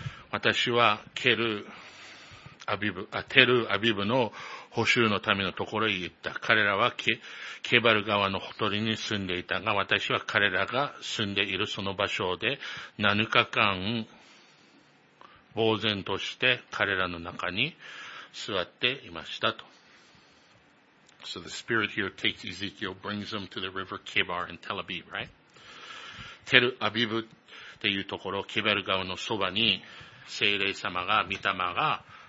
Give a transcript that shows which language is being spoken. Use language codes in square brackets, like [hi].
[ja] 私は蹴る、アビブ、テルアビブの捕囚のためのところへ行った。彼らはケバル川のほとりに住んでいたが、私は彼らが住んでいるその場所で、7日間、呆然として彼らの中に座っていましたと。 [en] So the spirit here takes Ezekiel, brings him to the river Kebar in Tel Aviv, right? [ja] テルアビブっていうところ、ケバル川のそばに聖霊様が、御霊が、